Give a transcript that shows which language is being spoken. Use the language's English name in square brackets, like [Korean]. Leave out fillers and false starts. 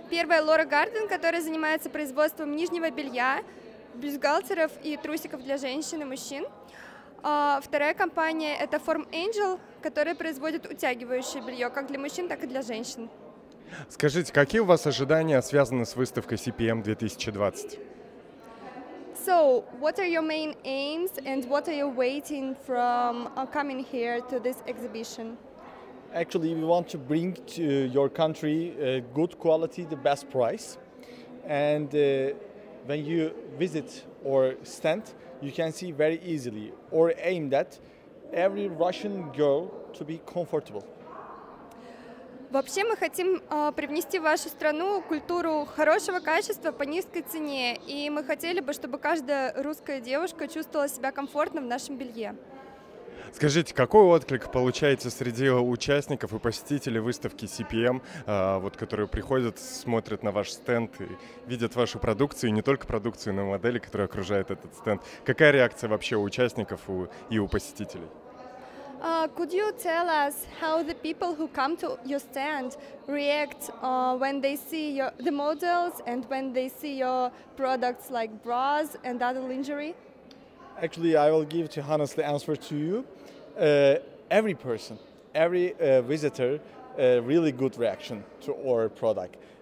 [Russian] Первая — Lora Garden, которая занимается производством нижнего белья, бюстгальтеров и трусиков для женщин и мужчин. Вторая компания — это Form Angel, которая производит утягивающее белье как для мужчин, так и для женщин. Скажите, какие у вас ожидания связаны с выставкой CPM 2020? [English] So, what are your main aims and what are you waiting from coming here to this exhibition? Actually, we want to bring to your country good quality, the best price. And when you visit our stand, you can see very easily our aim that every Russian girl to be comfortable. [Russian] Вообще мы хотим привнести в вашу страну культуру хорошего качества по низкой цене, и мы хотели бы, чтобы каждая русская девушка чувствовала себя комфортно в нашем белье. Скажите, какой отклик получаете среди участников и посетителей выставки CPM, вот, которые приходят, смотрят на ваш стенд и видят вашу продукцию, и не только продукцию, но и модели, которые окружают этот стенд? Какая реакция вообще у участников и у посетителей? [English] Could you tell us how the people who come to your stand react when they see your the models and when they see your products like bras and other lingerie? Actually, I will give to honestly answer to you. Every person, every visitor, really good reaction to our product.